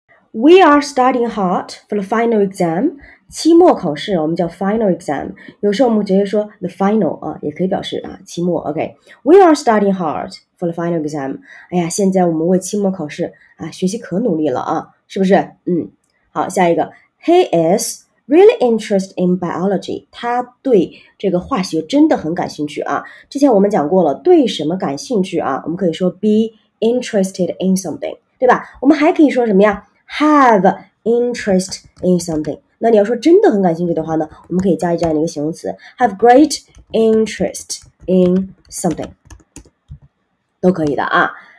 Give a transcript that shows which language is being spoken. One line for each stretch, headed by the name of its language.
English: We are studying hard for the final exam。
Chinese: 期末考试我们叫 final exam， 有时候我们直接说 the final 啊，也可以表示啊期末。
English: OK， we are studying hard for the final exam。
Chinese: 哎呀，现在我们为期末考试啊学习可努力了啊，是不是？嗯，好，下一个，
English: he is really interested in biology。
Chinese: 他对这个化学真的很感兴趣啊。之前我们讲过了，对什么感兴趣啊？我们可以说
English: be interested in something，
Chinese: 对吧？我们还可以说什么呀 ？
English: Have interest in something。
Chinese: 那你要说真的很感兴趣的话呢，我们可以加这样的一个形容词 ，
English: have great interest in something，
Chinese: 都可以的啊。